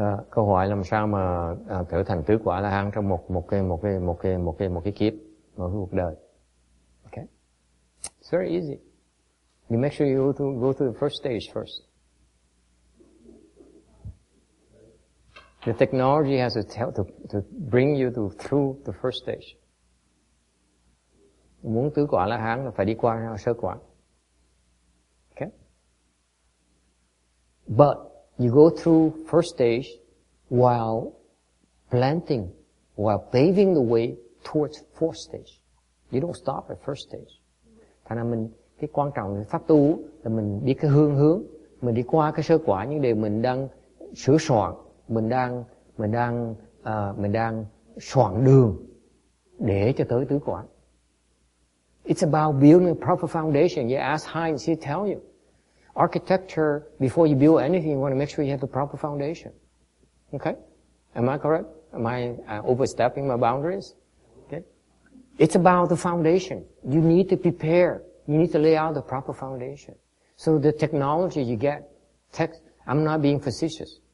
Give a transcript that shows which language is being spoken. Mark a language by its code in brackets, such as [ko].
[vi] Câu hỏi làm sao mà trở thành tứ quả là hàng trong một cái kiếp, một cuộc đời. [en] Okay. It's very easy. You make sure you go through the first stage first. The technology has to bring you through the first stage. [vi] Muốn tứ quả là hán là phải đi qua sơ quả. [en] Okay? But you go through first stage while paving the way towards fourth stage. You don't stop at first stage. [vi] Thành ra mình, cái quan trọng của pháp tu là mình biết cái hướng, mình đi qua cái sơ quả những điều mình đang sửa soạn. Mình đang soạn đường để cho tới tứ quả. [en] It's about building a proper foundation. You ask Heinz, he'll tell you. Architecture, before you build anything, you want to make sure you have the proper foundation. Okay? Am I correct? Am I overstepping my boundaries? Okay? It's about the foundation. You need to prepare. You need to lay out the proper foundation. So the technology you get, I'm not being facetious.